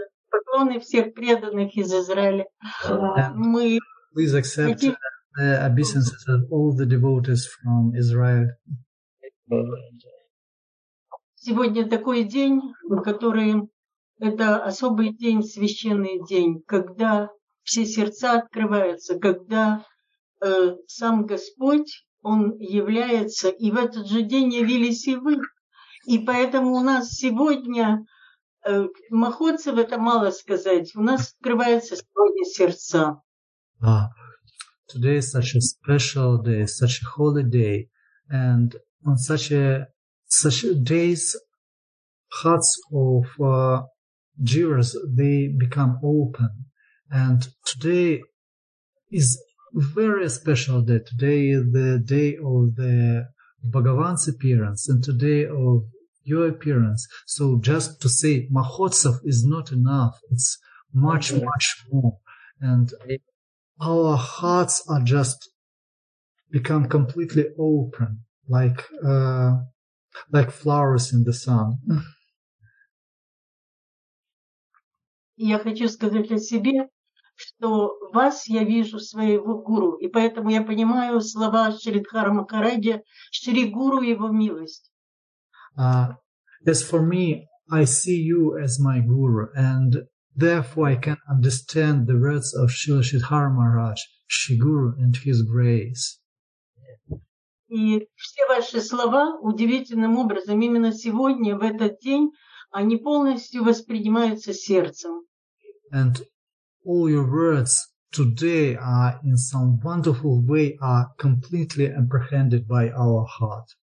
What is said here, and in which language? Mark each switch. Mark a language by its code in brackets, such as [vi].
[ru] Поклоны всех преданных из Израиля. Мы. [en] Please accept the obeisances of all the devotees from Israel. [ru] Сегодня такой день, который это особый день, священный день, когда все сердца открываются, когда сам Господь, Он является, и в этот же день явились и вы. И поэтому у нас сегодня Махотцев это мало сказать. У нас открываются сегодня сердца. [en] Today is such a special day, such a holy day, and on such days, hearts of Jewers they become open. And today is very special day. Today is the day of the Bhagavan's appearance, and today of your appearance. So just to say Mahotsav is not enough. It's much, much more. And our hearts are just become completely open, like flowers in the sun. [ru] Я хочу сказать для себя, что вас я вижу своего гуру, и поэтому я понимаю слова Шридхара Махараджа, Шри Гуру его милость. [en] As for me, I see you as my guru, and therefore I can understand the words of Шрила Шридхара Махарадж, Шри Гуру and his grace. [ru] И все ваши слова удивительным образом именно сегодня, в этот день, они полностью воспринимаются сердцем. [en] And all your words today are in some wonderful way are completely apprehended by our heart.